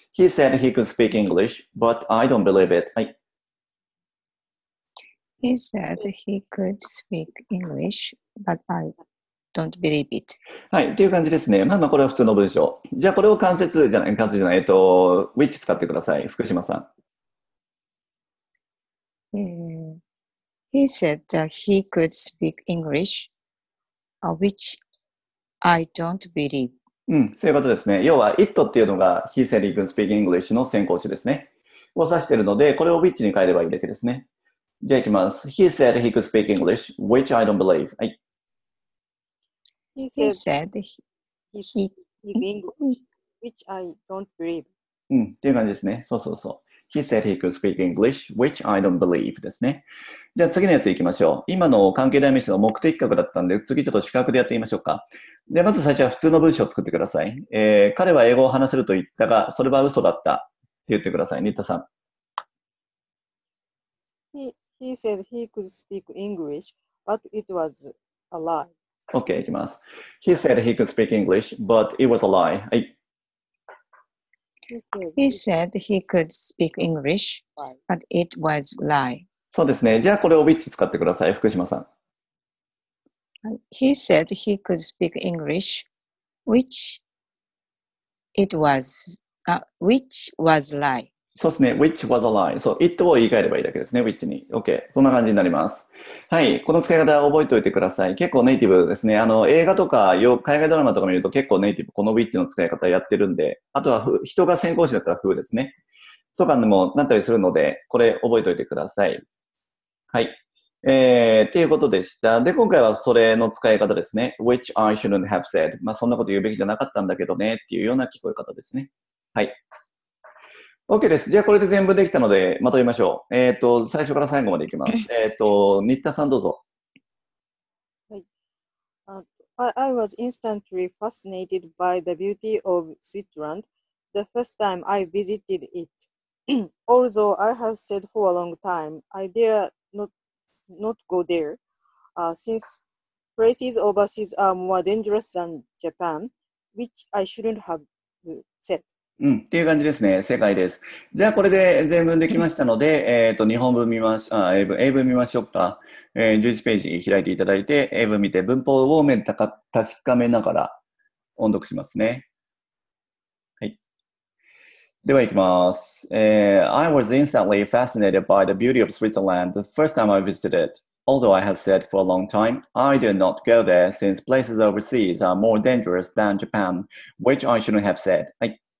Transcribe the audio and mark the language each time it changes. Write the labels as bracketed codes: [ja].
[en] He said he could speak English, but I don't believe it. [ja] はい。 [en] He said he could speak English, but I don't believe it. [ja] はい。っていう感じですね。まあまあ、これは普通の文章。じゃあ、これを関節じゃない、関節じゃない、which 使ってください。福島さん。 [en] He said that he could speak English, which I don't believe. [ja] うん、そういうことですね。要は it っていうのが [en] he said he can speak English [ja] の先行詞ですね。を指しているので、これを which に変えればいいだけですね。じゃあいきます。 [en] He said he could speak English, which I don't believe. [ja] はい。 [en] He said he could speak English, which I don't believe. [ja] うん、っていう感じですね。そうそうそう。 He said he could speak English, which I don't believe ですね。じゃあ次のやついきましょう。今の関係代名詞の目的格だったんで、次ちょっと主格でやってみましょうか。で、まず最初は普通の文章を作ってください。彼は英語を話せると言ったが、それは嘘だったって言ってください。新田さん。 [en] He said he could speak English, but it was a lie. [ja] OK, いきます。 [en] He said he could speak English, but it was a lie. [ja] はい。 [en] He said he could speak English, but it was a lie. [ja] そうですね。じゃあこれを which 使ってください。福島さん。 [en] He said he could speak English, which it was, which was a lie. [ja] そうですね。 [en] which was a lie. [ja] そう。it を言い換えればいいだけですね。 which に。OK。そんな感じになります。はい。この使い方覚えておいてください。結構ネイティブですね。映画とか、海外ドラマとか見ると結構ネイティブ、この which の使い方やってるんで、あとは人が先行詞だったら who ですね。とかでもなったりするので、これ覚えておいてください。はい。ということでした。で、今回はそれの使い方ですね。 [en] which I shouldn't have said. [ja] まあ、そんなこと言うべきじゃなかったんだけどね、っていうような聞こえ方ですね。はい。OK です。じゃあ、これで全部できたので、まとめましょう。最初から最後までいきます。新田さんどうぞ。はい。 [en] I was instantly fascinated by the beauty of Switzerland the first time I visited it. Although I had said for a long time, I dare not go there, since places overseas are more dangerous than Japan, which I shouldn't have said. [ja] うん、っていう感じですね。正解です。じゃあ、これで全文できましたので、日本文見まし、英文見ましょうか。 11ページ開いていただいて、英文見て文法を確かめながら音読しますね。はい。では、いきます。 [en] I was instantly fascinated by the beauty of Switzerland the first time I visited it. Although I had said for a long time, I did not go there since places overseas are more dangerous than Japan, which I shouldn't have said. [ja] はい。